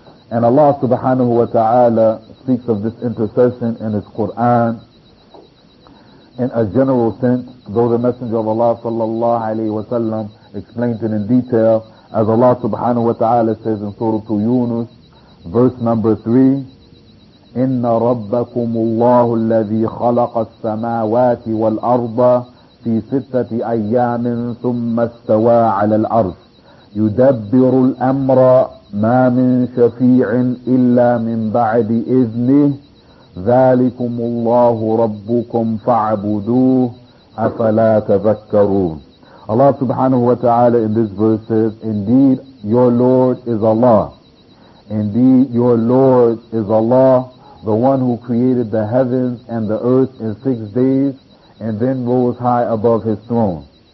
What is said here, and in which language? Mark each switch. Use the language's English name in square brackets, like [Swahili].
[English] And Allah subhanahu wa ta'ala speaks of this intercession in His Quran in a general sense, though the Messenger of Allah sallallahu alayhi wa sallam explained it in detail, as Allah subhanahu wa ta'ala says in Surah Yunus, verse number 3, [Arabic] إن ربكم الله الذي خلق السماوات والأرض في ستة أيام ثم استوى على الأرض يدبر الأمر ما من شفيع إلا من بعد إذنه ذلكم الله ربكم فاعبدوه أفلا تذكرون. [English] Allah subhanahu wa ta'ala in this verse says, indeed your Lord is Allah. Indeed your Lord is Allah, the one who created the heavens and the earth in 6 days and then rose high above his throne.